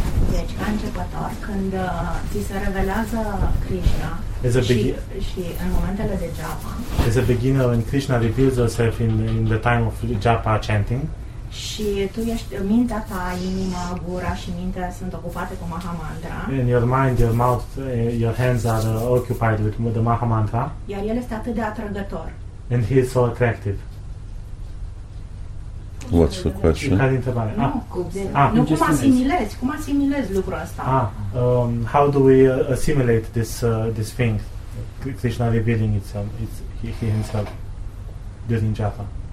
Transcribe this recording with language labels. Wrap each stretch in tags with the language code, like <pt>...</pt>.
<ro>Deci, ca începător, când ți se revelează Krishna și în momentele de japa.</ro> <en>As a beginner, when Krishna reveals herself in the time of japa chanting.</en> <ro>Și tu ești mintea ta, inima, gura și mintea sunt ocupate cu Maha Mantra.</ro> <en>In your mind, your mouth, your hands are occupied with the Maha Mantra.</en> <ro>Iar el este atât de atrăgător.</ro> <en>And he is so attractive. What's the question?</en> <ro>Care întrebare? Nu, cum asimilezi? Cum asimilezi lucrul ăsta?</ro> <en>How do we assimilate this thing? Krishna revealing itself, he himself during japa.</en>